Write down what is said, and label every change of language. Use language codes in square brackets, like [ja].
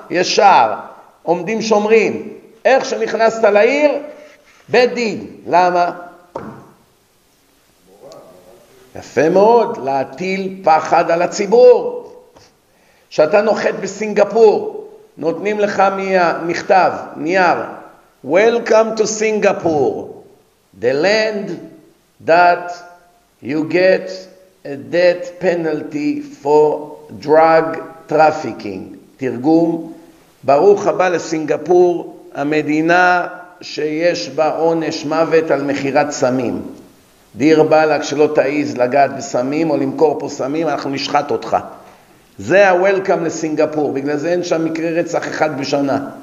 [he] יש שער. עומדים שומרים. איך שנכנסת לעיר? בית דין. למה? יפה מאוד. להטיל פחד על הציבור. כשאתה נוחת בסינגפור, נותנים לך מכתב, נייר. [en] Welcome to Singapore. The land that you get a death penalty for drug trafficking. [he] תרגום, ברוך הבא לסינגפור, המדינה שיש בה עונש מוות על מכירת סמים. דיר בלק שלא תעיז לגעת בסמים או למכור פה סמים, אנחנו נשחט אותך. זה ה-welcome לסינגפור, בגלל זה אין שם מקרה רצח אחד בשנה.